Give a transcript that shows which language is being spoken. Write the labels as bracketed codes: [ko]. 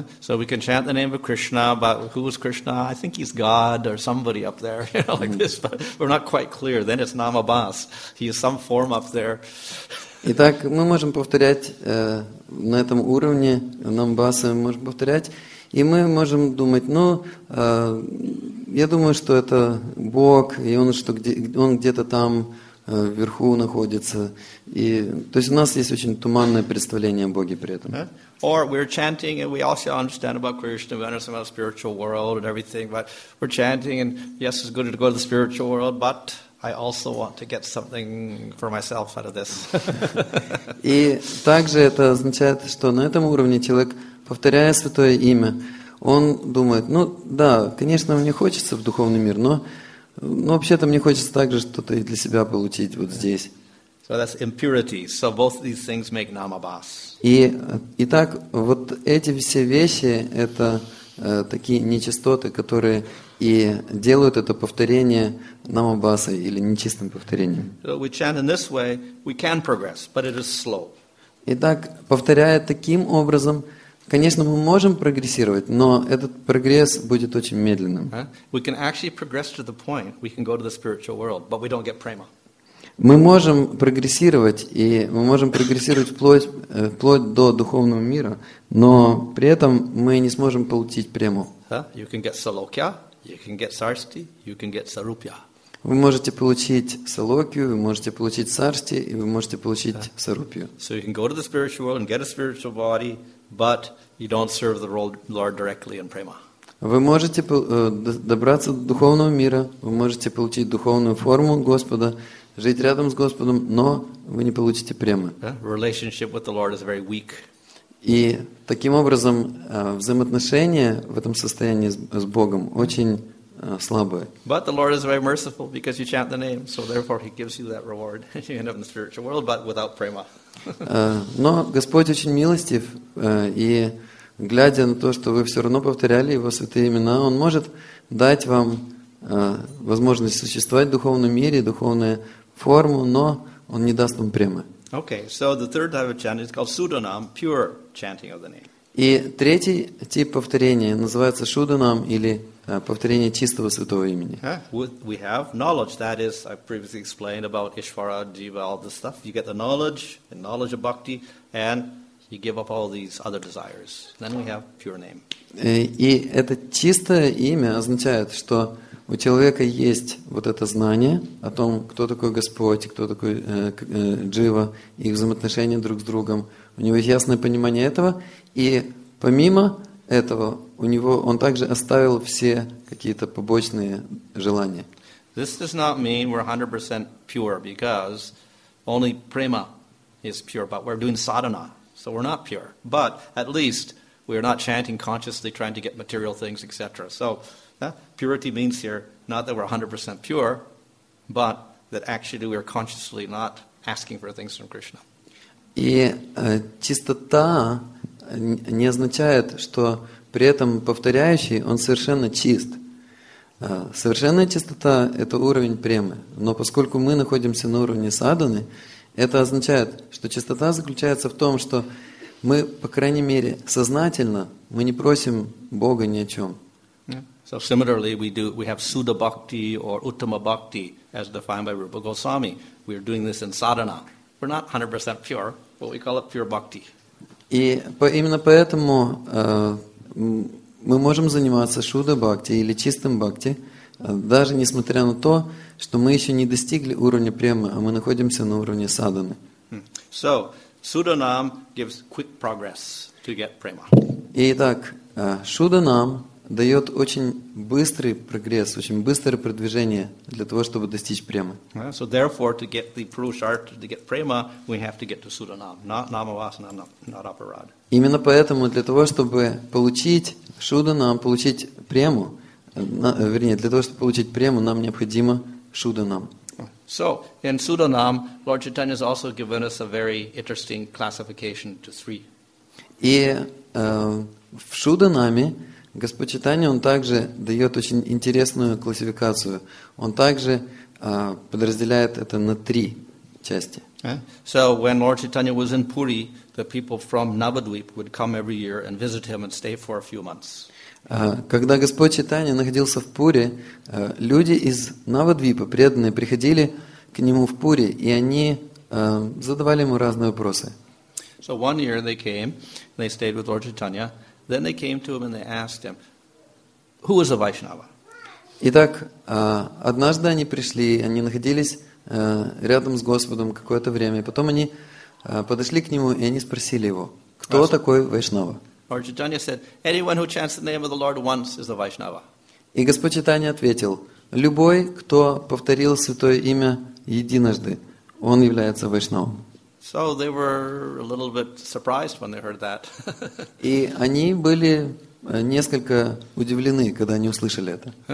[en] So we can chant the name of Krishna, but who is Krishna? I think he's God or somebody up there, you know, like this, but we're not quite clear. Then it's namabas. He is some form up there. [ru] Итак, мы можем повторять на этом уровне, намабаса мы можем повторять, и мы можем думать, ну, я думаю, что это Бог, и он, что где, он где-то там вверху находится. И, то есть у нас есть очень туманное представление о Боге при этом. [en] Or we're chanting, and we also understand about Krishna, we understand about the spiritual world and everything, but we're chanting, and yes, it's good to go to the spiritual world, but I also want to get something for myself out of this. [ru] И также это означает, что на этом уровне человек, повторяя святое имя, он думает, ну да, конечно, мне хочется в духовный мир, но вообще-то мне хочется также что-то и для себя получить вот здесь. [en] So that's impurity. So both these things make namabhas. [ru] И так, вот эти все вещи, это такие нечистоты, которые и делают это повторение намабаса или нечистым повторением. [en] So we chant in this way, we can progress, but it is slow. [ru] Итак, повторяя таким образом, конечно, мы можем прогрессировать, но этот прогресс будет очень медленным. [en] We can actually progress to the point we can go to the spiritual world, but we don't get prema. [ru] Мы можем прогрессировать, и мы можем прогрессировать вплоть до духовного мира, но при этом мы не сможем получить прему. [en] You can get salokya, you can get sarsti, you can get sarupya. [ru] Вы можете получить салокию, вы можете получить сарсти, и вы можете получить сарупью. [en] So you can go to the spiritual world and get a spiritual body, but you don't serve the Lord directly in prema. [ru] Вы можете добраться до духовного мира, вы можете получить духовную форму Господа, жить рядом с Господом, но вы не получите премы. [en] Relationship with the Lord is very weak. [ru] И таким образом взаимоотношения в этом состоянии с Богом очень слабое. [en] But the Lord is very merciful because you chant the name, so therefore he gives you that reward. You end up in the spiritual world, but without prema. [ru] Но Господь очень милостив, и глядя на то, что вы все равно повторяли Его святые имена, Он может дать вам возможность существовать в духовном мире, духовную форму, но Он не даст вам премы. [en] Okay, so the third type of chanting is called sudanam, pure chanting of the name. [ru] И третий тип повторения называется шуданам, или повторение чистого святого имени. [en] We have knowledge, that is, I previously explained about Ishvara, Jiva, all this stuff. You get the knowledge, and knowledge of bhakti, and you give up all these other desires. Then we have pure name. [ru] И это чистое имя означает, что у человека есть вот это знание о том, кто такой Господь, кто такой Джива, их взаимоотношения друг с другом. У него есть ясное понимание этого. И помимо этого, у него, он также оставил все какие-то побочные желания. [en] This does not mean we're 100% pure, because only prema is pure, but we're doing sadhana, so we're not pure. But at least we're not chanting consciously, trying to get material things, etc. So purity means here not that we're 100% pure, but that actually we're consciously not asking for things from Krishna. [ru] И чистота не означает, что при этом повторяющий, он совершенно чист. Совершенная чистота – это уровень премы. Но поскольку мы находимся на уровне садханы, это означает, что чистота заключается в том, что мы, по крайней мере, сознательно, мы не просим Бога ни о чем. [en] So similarly, we have Suddha Bhakti or Uttama Bhakti as defined by Rupa Goswami. We are doing this in sadhana. We're not 100% pure, but we call it pure bhakti. [ru] И именно поэтому мы можем заниматься Suddha Bhakti или чистым бхакти, даже несмотря на то, что мы еще не достигли уровня премы, а мы находимся на уровне садханы. [en] So, Suddha Nam gives quick progress to get prema. [ru] Итак, Suddha Nam дает очень быстрый прогресс, очень быстрое продвижение для того, чтобы достичь премы. [en] So therefore, to get the Purushartha, to get prema, we have to get to Suddha Nam, not Namavasana, not Aparad. [ru] Именно поэтому для того, чтобы получить Suddha Nam, получить прему, вернее, для того, чтобы получить прему, нам необходимо Suddha Nam. [en] So in Suddha Nam, Lord Chaitanya has also given us a very interesting classification to three. [ru] И в Suddha Nam Господь Чайтанья, он также дает очень интересную классификацию. Он также подразделяет это на три части. [en] So when Lord Chaitanya was in Puri, the people from Navadvip would come every year and visit him and stay for a few months. [ru] Когда Господь Чайтанья находился в Пури, люди из Навадвипа, преданные, приходили к нему в Пури, и они задавали ему разные вопросы. [en] So one year they came, they stayed with Lord Chaitanya. Then they came to him and they asked him, who is a Vaishnava? [ru] Итак, однажды они пришли, они находились рядом с Господом какое-то время, потом они подошли к нему и они спросили его, кто такой Вайшнава? [en] Lord Chaitanya said, anyone who chants the name of the Lord once is a Vaishnava. [ru] И Господь Чайтанья ответил, любой, кто повторил святое имя единожды, он является Вайшнавом. [en] So they were a little bit surprised when they heard that. [ru] И они были несколько удивлены, когда они услышали это.